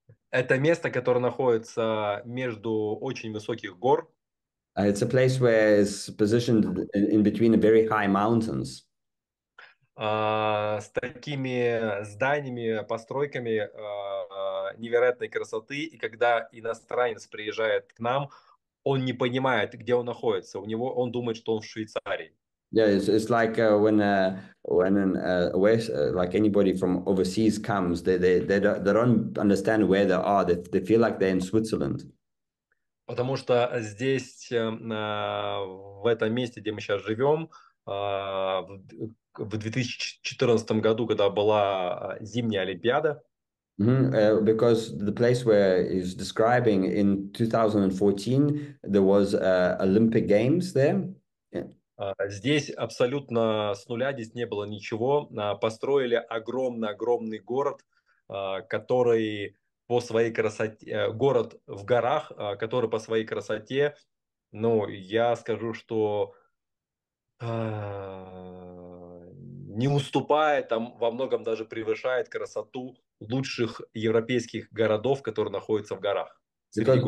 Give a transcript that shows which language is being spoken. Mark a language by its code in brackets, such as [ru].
[ru] Это место, которое находится между очень высоких гор. [en] It's a place where it's positioned in between the very high mountains. [ru] С такими зданиями, постройками невероятной красоты. И когда иностранец приезжает к нам, он не понимает, где он находится. У него он думает, что он в Швейцарии. [en] Yeah, it's like when anybody from overseas comes, they don't understand where they are. They feel like they're in Switzerland. [ru] Потому что здесь, в этом месте, где мы сейчас живем, в 2014 году, когда была зимняя Олимпиада, [en] Because the place where he's describing in 2014, there was Olympic Games there. [ru] здесь абсолютно с нуля, здесь не было ничего. Построили огромный город, который по своей красоте, город в горах, который по своей красоте, ну, я скажу, что не уступает, там во многом даже превышает красоту лучших европейских городов, которые находятся в горах, среди